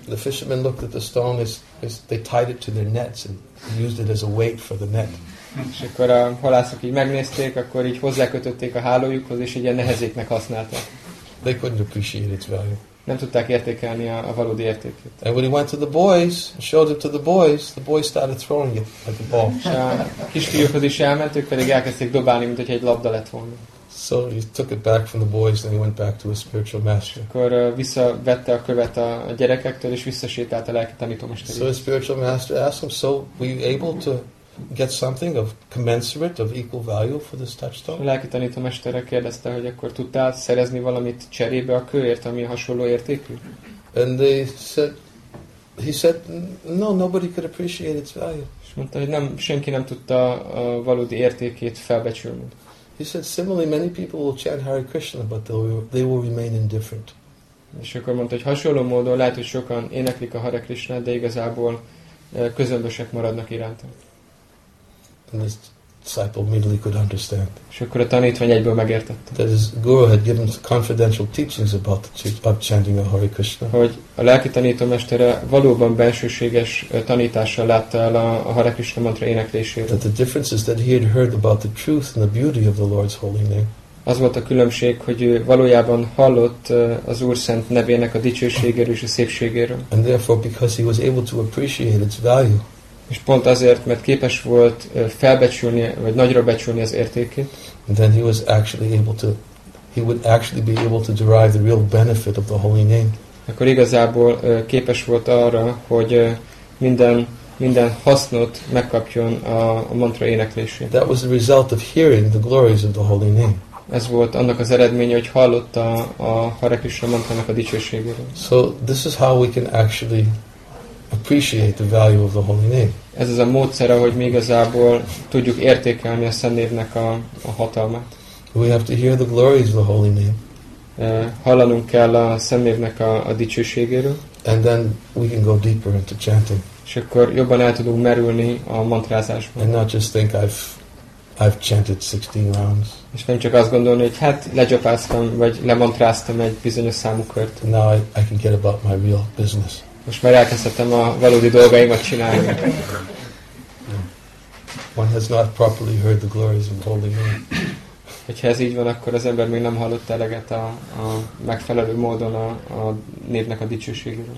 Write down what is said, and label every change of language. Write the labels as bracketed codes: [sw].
[en] The fisherman looked at the stone, as they tied it to their nets, and used it as a weight for the net. [hu] És akkor a halászok így megnézték, akkor így hozzákötötték a hálójukhoz, és egy ilyen nehezéknek használták. [en] They couldn't appreciate its value. [hu] Nem tudták értékelni a valódi értékét. [en] And when he went to the boys, showed it to the boys started throwing it like a ball. [hu] A kisfiúkhoz is elment, ők pedig elkezdték dobálni, mint hogyha egy labda lett volna. [en] So he took it back from the boys, and he went back to his spiritual master. [hu] Akkor visszavette a követ a gyerekektől, és visszasétált a lelki tanítómesteréhez. [en] So his spiritual master asked him, so were you able to get something of commensurate of equal value for this touchstone? [hu] Lelki tanítómestere kérdezte, hogy akkor tudtál szerezni valamit cserébe a kőért, ami hasonló értékű? [en] And they said, he said, no, nobody could appreciate its value. [hu] És mondta, hogy nem, senki nem tudta a valódi értékét felbecsülni. [en] He said, similarly, many people will chant Hare Krishna, but they will remain indifferent. [hu] És akkor mondta, hogy hasonló módon lehet, hogy sokan éneklik a Hare Krishnát, de igazából közömbösek maradnak iránta. [en] And this disciple immediately could understand. [hu] És akkor a tanítvány egyből megértette. [en] That his guru had given confidential teachings about chanting a Hare Krishna. [hu] Hogy a lelki tanítómestere valóban bensőséges tanítással látta el a Hare Krishna mantra éneklésére. [en] That the difference is that he had heard about the truth and the beauty of the Lord's holy name. [hu] Az volt a különbség, hogy ő valójában hallott az Úr Szent nevének a dicsőségéről és a szépségéről. [en] And therefore, because he was able to appreciate its value. [hu] És pont azért, mert képes volt felbecsülni, vagy nagyra becsülni az értékét. [en] Then he was actually able to, he would actually be able to derive the real benefit of the holy name. [hu] Akkor igazából képes volt arra, hogy minden hasznot megkapjon a mantra éneklésén. [en] That was the result of hearing the glories of the holy name. [hu] Ez volt annak az eredménye, hogy hallotta a Hare Krishna mantrának a dicsőségéről. [en] So this is how we can actually appreciate the value of the holy name. [hu] Ez az a módszer, ahogy mi igazából tudjuk értékelni a Szent Névnek a hatalmát. [en] We have to hear the glories of the holy name. [hu] Hallanunk kell a Szent Névnek a dicsőségéről. [en] And then we can go deeper into chanting. [hu] És akkor jobban el tudunk merülni a mantrázásban. [en] And not just think I've I've chanted 16 rounds. [hu] És nem csak azt gondolni, hogy hát lecsapáztam vagy lemantráztam egy bizonyos számú kört. [en] Now I can get about my real business. [hu] Most már elkezdhetem a valódi dolgaimat csinálni. [en] One has not properly heard the glories of holy name. [hu] Hogyha ez így van, akkor az ember még nem hallott eleget a megfelelő módon a népnek a dicsőségéről.